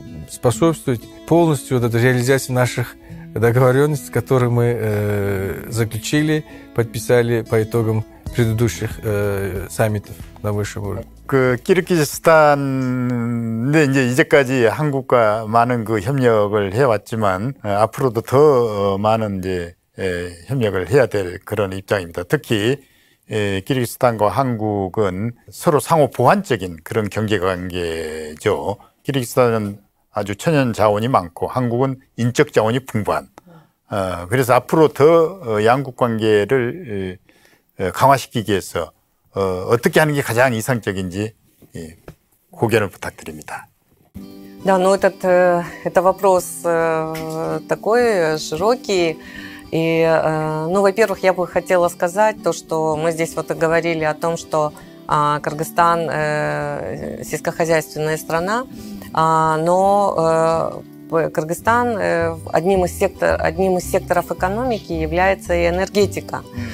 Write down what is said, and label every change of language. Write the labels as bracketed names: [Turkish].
[Russian] способствовать полностью вот этой реализации наших договоренностей, которые мы заключили, подписали по итогам предыдущих саммитов на высшем уровне. [Korean] Киргизстан, 네, 이제 이제까지 한국과 많은 그 협력을 해왔지만 앞으로도 더 많은 이제 협력을 해야 될 그런 입장입니다. 특히 키르기스탄과 한국은 서로 상호 보완적인 그런 경제 관계죠. 키르기스탄은 아주 천연 자원이 많고 한국은 인적 자원이 풍부한. 그래서 앞으로 더 양국 관계를 강화시키기 위해서 어떻게 하는 게 가장 이상적인지 고견을 부탁드립니다. [Russian] Да, ну это вопрос такой широкий. И, ну, во-первых, я бы хотела сказать то, что мы здесь вот и говорили о том, что Кыргызстан сельскохозяйственная страна, но Кыргызстан одним из секторов экономики является и энергетика.